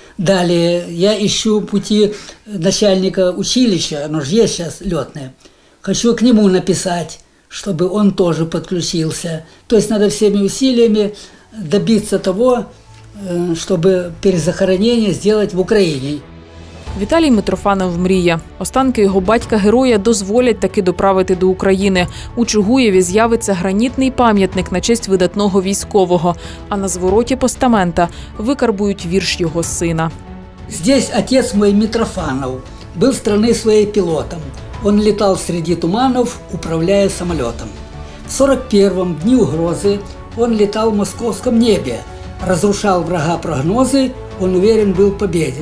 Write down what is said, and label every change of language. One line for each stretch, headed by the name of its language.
Russian: Далее я ищу пути начальника училища, оно же есть сейчас, летное. Хочу к нему написать, чтобы он тоже подключился. То есть надо всеми усилиями добиться того, чтобы перезахоронение сделать в Украине.
Ukrainian: Віталій Митрофанов мріє. Останки його батька-героя дозволять таки доправити до України. У Чугуєві з'явиться гранітний пам'ятник на честь видатного військового. А на звороті постамента викарбують вірш його сина.
Russian: Здесь отец мой Митрофанов был страны своей пилотом. Он летал среди туманов, управляя самолетом. В 41-м дні угрозы он летал в московском небе. Разрушал врага прогнозы, он уверен был в победе.